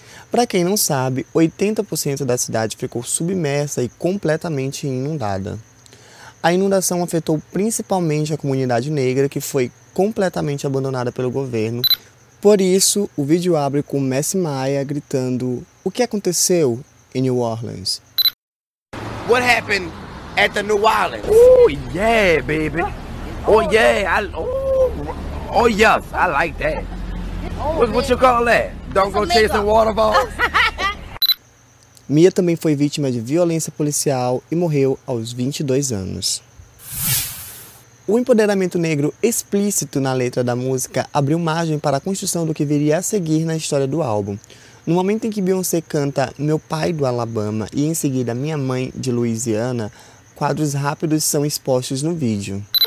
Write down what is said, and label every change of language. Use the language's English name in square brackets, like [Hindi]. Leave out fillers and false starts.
[Portuguese] Para quem não sabe, 80% da cidade ficou submersa e completamente inundada. A inundação afetou principalmente a comunidade negra, que foi completamente abandonada pelo governo. Por isso, o vídeo abre com Messi Maia gritando: "O que aconteceu em New Orleans?" [English] What happened at the New Orleans? Oh yeah, baby. Oh yeah. Oh yes, I like that. What you call that? Don't go chasing waterfalls. [Portuguese] Mia também foi vítima de violência policial e morreu aos 22 anos. O empoderamento negro explícito na letra da música abriu margem para a construção do que viria a seguir na história do álbum. No momento em que Beyoncé canta "Meu pai do Alabama" e em seguida "Minha mãe de Louisiana", quadros rápidos são expostos no vídeo.